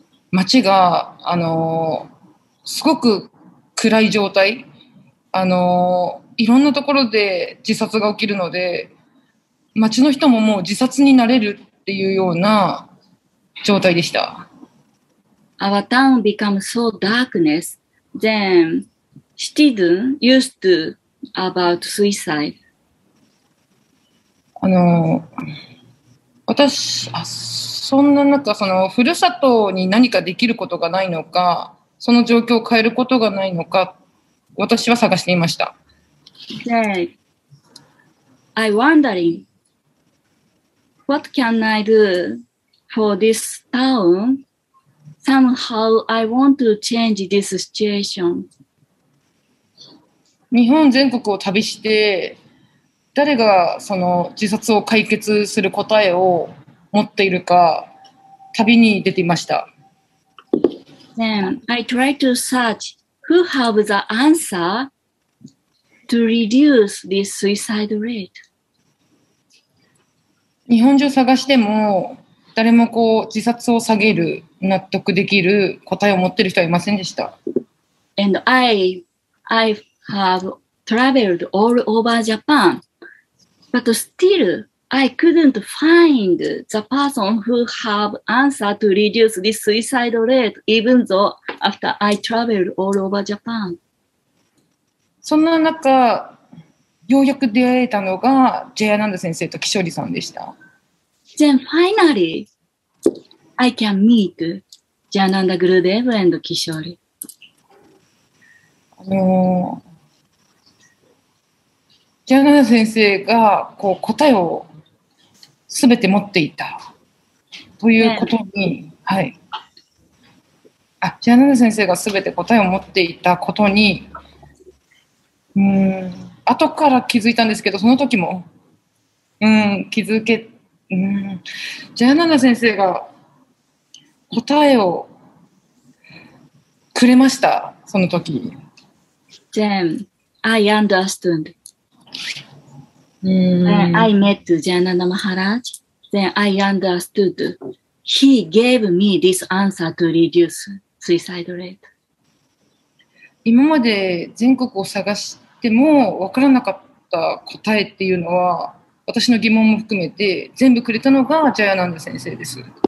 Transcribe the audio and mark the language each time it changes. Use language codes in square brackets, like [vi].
[ja] 街が、すごく暗い状態、いろんなところで自殺が起きるので、街の人ももう自殺になれるっていうような状態でした。 [en] Our town become so darkness, then,Citizen used to about suicide. [ja] 私、そんな中、ふるさとに何かできることがないのか、その状況を変えることがないのか、私は探していました。 [en] Then, I wondering, what can I do for this town? Somehow I want to change this situation. [ja] 日本全国を旅して誰がその自殺を解決する答えを持っているか旅に出ていました。 [en] Then I try to search who have the answer to reduce this suicide rate. [ja] 日本中探しても誰もこう自殺を下げる納得できる答えを持っている人はいませんでした。 [en] And I have traveled all over Japan, but still I couldn't find the person who have answer to reduce this suicide rate, even though after I traveled all over Japan. [ja] そんな中、ようやく出会えたのが、ジェヤナンダ先生とキショリさんでした。 [en] Then finally, I can meet ジェヤナンダ・グルデーヴ and キショリ。 [ja] ジェヤナンダ先生がこう答えをすべて持っていたということに、yeah. はい。ジェヤナンダ先生がすべて答えを持っていたことに、後から気づいたんですけど、その時も、気づけ、ジェヤナンダ先生が答えをくれました、その時。 [en] Then I understood. I met Jayananda Maharaj. Then I understood. He gave me this answer to reduce suicide rate. [ja] 今まで全国を探しても分からなかった答えっていうのは、私の疑問も含めて全部くれたのがジャヤナンダ先生です。